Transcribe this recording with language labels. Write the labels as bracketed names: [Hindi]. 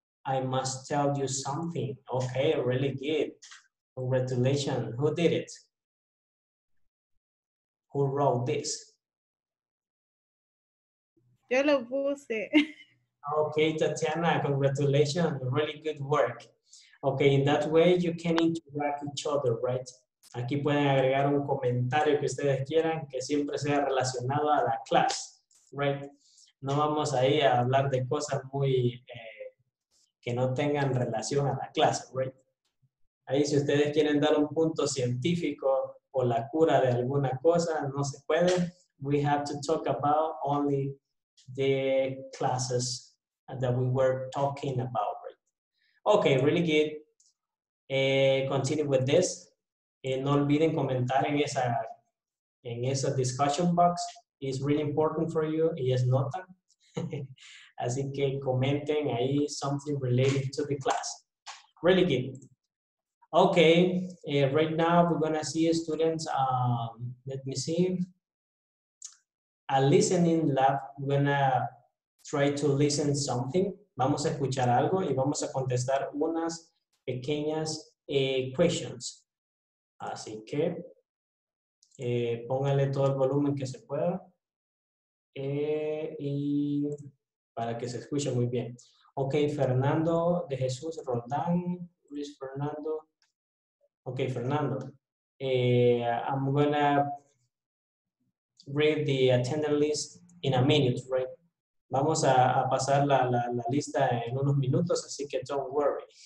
[English] I must tell you something. Okay, really good. Congratulations. Who did it? Who wrote this? [Spanish] Yo lo puse. [English] Okay, Tatiana, congratulations. Really good work. Okay, in that way you can interact each other, right? [Spanish] Aquí pueden agregar un comentario que ustedes quieran que siempre sea relacionado a la clase, [English] right? [Spanish] No vamos ahí a hablar de cosas muy que no tengan relación a la clase, [English] right? [Spanish] Ahí si ustedes quieren dar un punto científico o la cura de alguna cosa, no se puede. [English] We have to talk about only the classes that we were talking about, right? Okay, really good. Continue with this. [Spanish] No olviden comentar en esa [English] discussion box. It's really important for you. [Spanish] Y es nota. Así que comenten ahí [English] something related to the class. Really good. Okay, right now we're going to see students, let me see, a listening lab, we're going to try to listen something. [Spanish] Vamos a escuchar algo y vamos a contestar unas pequeñas questions. Así que póngale todo el volumen que se pueda y para que se escuche muy bien. [English] Okay, Fernando de Jesús Roldán, Luis Fernando. Okay, Fernando, I'm gonna read the attendance list in a minute, right? [Spanish] Vamos a pasar la lista en unos minutos, así que [English] don't worry.